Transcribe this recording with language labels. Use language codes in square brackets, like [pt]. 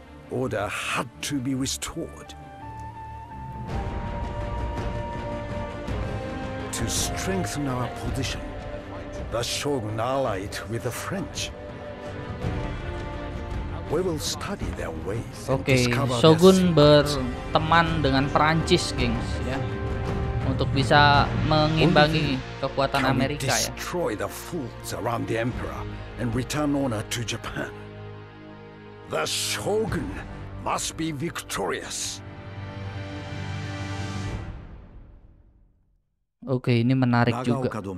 [en] Order had to be restored. To strengthen our position, the Shogun allied with the French. We will study their ways. [id] Oke, Shogun berteman dengan Perancis, gengs, ya, untuk bisa mengimbangi kekuatan Amerika, ya. [en] Destroy the fools around the emperor and return honor to Japan. The Shogun must be victorious. [id] Oke, ini menarik juga.